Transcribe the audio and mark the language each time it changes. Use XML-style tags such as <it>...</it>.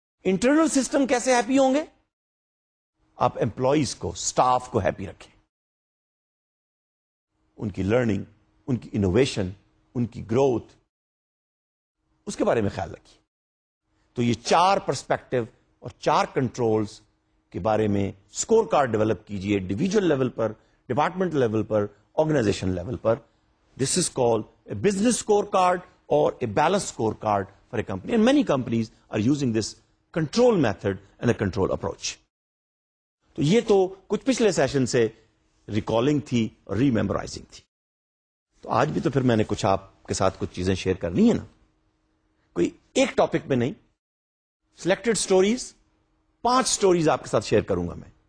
<ur>Internal system کیسے happy ہوں گے؟ آپ امپلائیز کو, اسٹاف کو ہیپی رکھیں, ان کی لرننگ, ان کی انوویشن, ان کی گروتھ, اس کے بارے میں خیال رکھیے. تو یہ 4 پرسپیکٹو اور 4 کنٹرولز کے بارے میں اسکور کارڈ ڈیولپ کیجئے, individual level per, department level per, organization level per.</ur> <en>This is called a business score card اور a balance score card for a company. And many companies are using this control method and a control approach.</en> <ur>تو یہ تو کچھ پچھلے session سے recalling تھی اور ری memorising تھی. تو آج بھی تو پھر میں نے کچھ آپ کے ساتھ کچھ چیزیں شیئر کرنی ہے نا, کوئی ایک ٹاپک میں نہیں, سلیکٹڈ سٹوریز, 5 سٹوریز آپ کے ساتھ شیئر کروں گا میں.</ur>